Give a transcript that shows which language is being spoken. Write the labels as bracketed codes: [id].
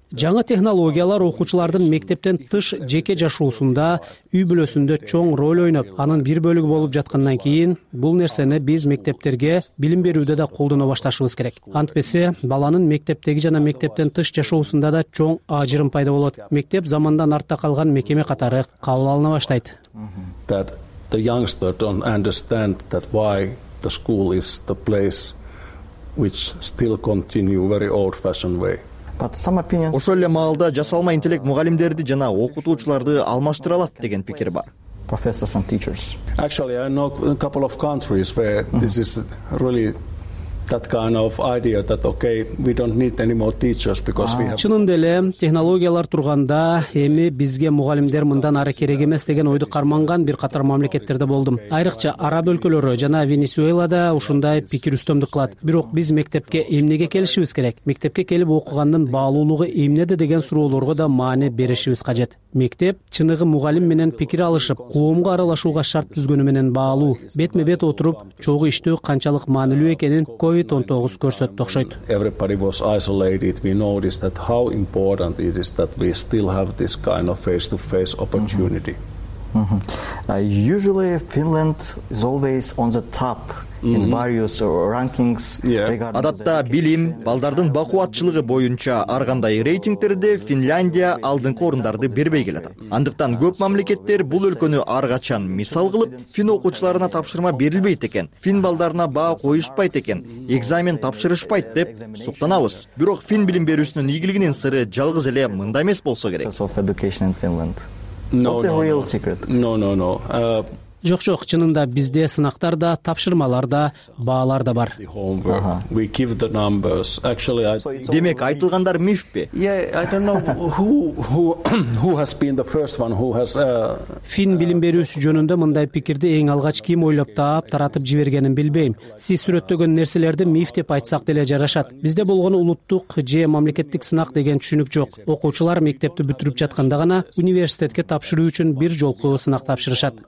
[ky] Жаңы технологиялар окуучулардын мектептен тыш жеке жашоосунда, үй бүлөсүндө чоң роль ойноп, анын бир бөлүгү болуп жаткандан кийин, бул нерсени биз мектептерге билим берүүдө да колдоно башташыбыз керек. Антпесе, баланын мектептеги жана мектептен тыш жашоосунда да чоң ажырым пайда болот. Мектеп замандан артта калган мекеме катары кабыл алына баштайт. [en] That the youngsters don't understand that why the school is the place which still continue very old fashioned way. [ky] Ошол эле маалда жасалма интеллект мугалимдерди жана окутуучуларды алмаштыра алат деген пикир бар. [en] Professors and teachers. Actually, I know a couple of countries where this is really that kind of idea that okay, we don't need any more teachers because we have. [ky] Чынында эле технологиялар турганда эми бизге мугалимдер мындан ары керек эмес деген ойду карманган бир катар мамлекеттерде болдум. Айрыкча араб өлкөлөрү жана Венесуэлада ушундай пикир үстөмдүк кылат. Бирок биз мектепке эмнеге келишибиз керек? Мектепке келип окугандын баалуулугу эмнеде деген суроолорго да маани беришибиз кажет. Мектеп чыныгы мугалим менен пикир алышып, коомго аралашууга шарт түзгөнү менен баалуу. Бетме-бет отуруп, чогуу иштөө канчалык маанилүү экенин COVID-19 көрсөттү окшойт. [en] Everybody was isolated. We noticed that how important it is that we still have this kind of face-to-face opportunity. Usually Finland is always on the top in various rankings regarding. [ky] Адатта билим, балдардын бакуватчылыгы боюнча ар кандай рейтингтерде Финляндия алдыңкы орундарды бербей келет. Андыктан көп мамлекеттер бул өлкөнү ар качан мисал кылып, фин окуучуларына тапшырма берилбейт экен, фин балдарына баа коюшпайт экен, экзамен тапшырышпайт деп суктанабыз. Бирок фин билим берүүсүнүн ийгилигинин сыры жалгыз эле мында эмес болсо керек. [en] What's the real secret? No. [ky] Жок, чынында бизде сынактар да, тапшырмалар да, баалар да бар. [en] We give the numbers. Actually, [ky] демек айтылгандар мифпи? [en] Yeah, I don't know who has been the first one who has [ky] фин билим берүүсү жөнүндө мындай пикирди эң алгач ким ойлоп таап, таратып жибергенин билбейм. Сиз сүрөттөгөн нерселерди миф деп айтсак деле жарашат. Бизде болгон улуттук же мамлекеттик сынак деген түшүнүк жок. Окуучулар мектепти бүтүрүп жатканда гана университетке тапшыруу үчүн бир жолку сынак тапшырышат.